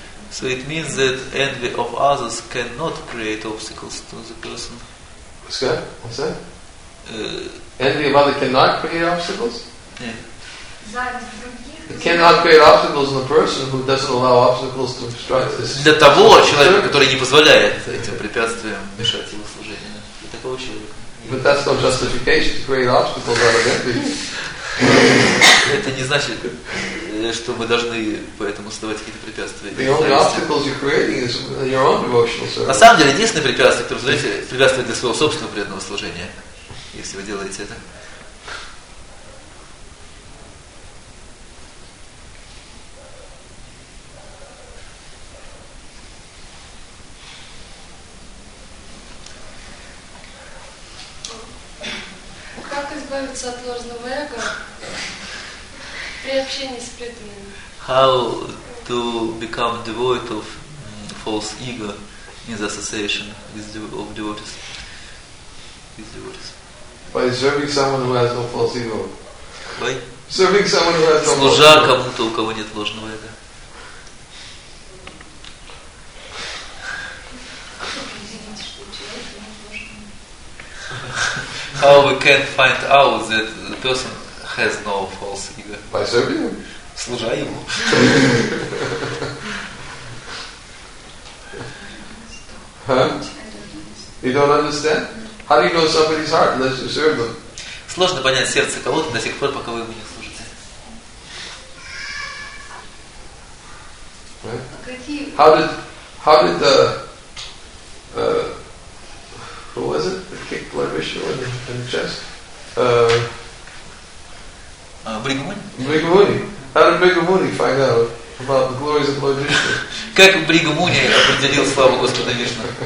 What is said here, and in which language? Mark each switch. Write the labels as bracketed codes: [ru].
[en] So it means that envy of others cannot create obstacles to the person. What's that? What's that? Envy of others cannot create obstacles? Yeah. It cannot create obstacles in the person who doesn't allow obstacles to obstruct this. [ru] Для того человека, который не позволяет этим препятствиям мешать ему служению. [en] But that's no justification to create obstacles out of envy. [ru] Это не значит, что мы должны поэтому создавать какие-то препятствия. [en] The only obstacles you're creating is your own devotional service. [ru] На самом деле, единственное препятствие, которое вы создаете, препятствие для своего собственного преданного служения, если вы делаете это. Как избавиться? избавиться от ложного эго при общении с преданными? [en] How to become devoid of false ego in the association of devotees? By serving someone who has no false ego. By serving someone who has no false ego. [ru] Служа кому-то, у кого нет ложного эго. [en] How we can find out that the person has no false ego? By serving him. [ru] Служа ему. [en] You don't understand? How do you know somebody's heart unless you serve them? [ru] Сложно понять сердце кого-то до тех пор, пока вы ему не служите. [en] How did the who was it? The kick Lord Vishnu in the chest? [ru] Бригамуни. [en] How did Бригамуни find out about the glories of Lord Vishnu? [ru] Как Бригамуни определил славу Господа Вишну?